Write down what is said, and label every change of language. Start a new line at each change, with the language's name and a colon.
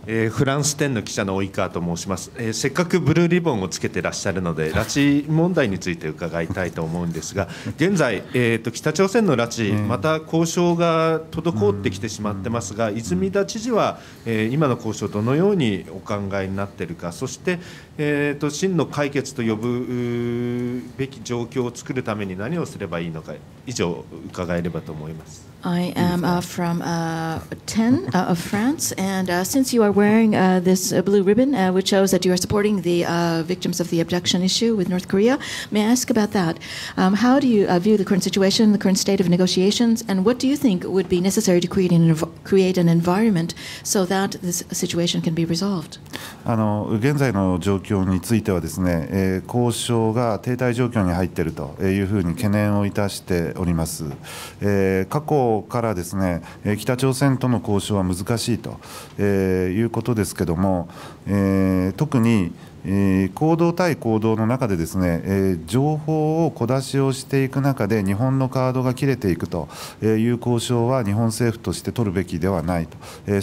Japanese: フランス店の記者の及川と申します。せっかくブルーリボンをつけてらっしゃるので拉致問題について伺いたいと思うんですが、現在、北朝鮮の拉致、また交渉が滞ってきてしまってますが、泉田知事は、今の交渉どのようにお考えになっているか、そして、真の解決と呼ぶべき状況を作るために何をすればいいのか、以上伺えればと思います。
English: I am from Ten of France, and since you are wearing this blue ribbon, which shows that you are supporting the victims of the abduction issue with North Korea, may I ask about that? How do you view the current situation, the current state of negotiations, and what do you think would be necessary to create an environment so that this situation can be resolved?
Japanese: 現在の状況についてはですね、交渉が停滞状況に入っているというふうに懸念をいたしております。過去からですね、北朝鮮との交渉は難しいということですけども、特に行動対行動の中でですね、情報を小出しをしていく中で日本のカードが切れていくという交渉は日本政府として取るべきではないと。